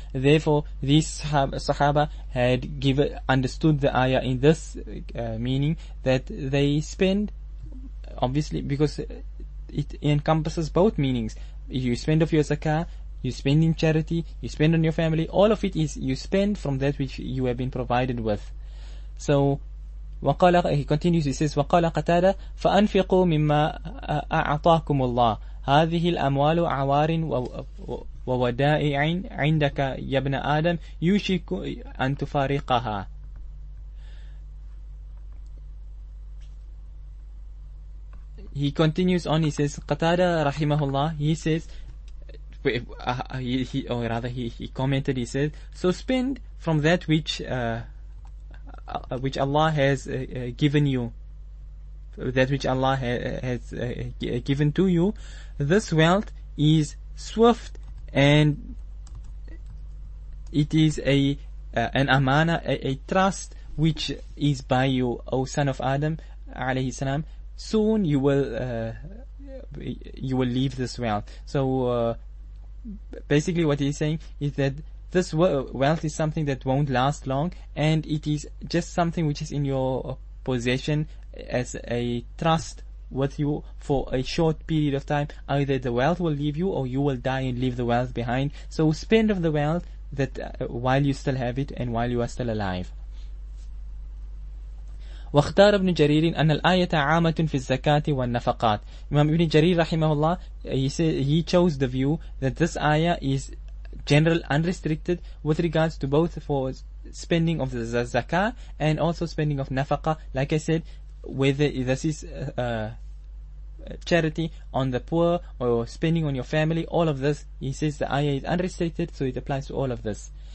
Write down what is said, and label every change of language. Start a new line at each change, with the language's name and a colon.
English: Therefore, these sahaba had understood the ayah in this meaning, that they spend, obviously, because it encompasses both meanings. You spend of your zakah, you spend in charity, you spend on your family, all of it is you spend from that which you have been provided with.
Arabic: So وقال,
English: he continues, he says,
Arabic: وقال قتادة فأنفقوا مما أعطاكم الله هذه الأموال عوار وودائع عندك يا ابن آدم يوشك أن تفارقها.
English: He continues on, he says, قتادة رحمه الله, he says, he commented, he says, so spend from that which Allah has given you, that which Allah has given to you. This wealth is swift, and it is an amana, a trust which is by you, O son of Adam, alayhi salam. Soon you will leave this wealth. So basically what he's saying is that this wealth is something that won't last long, and it is just something which is in your possession as a trust with you for a short period of time. Either the wealth will leave you or you will die and leave the wealth behind. So spend of the wealth that while you still have it and while you are still alive.
Arabic: واختار ابن جرير أن الآية عامة في الزكاة والنفقات.
English: Imam Ibn Jarir رحمه الله, he chose the view that this ayah is general, unrestricted with regards to both for spending of the zakah and also spending of nafaqah. Like I said, whether this is charity on the poor or spending on your family, all of this, he says the ayah is unrestricted, so it applies to all of this.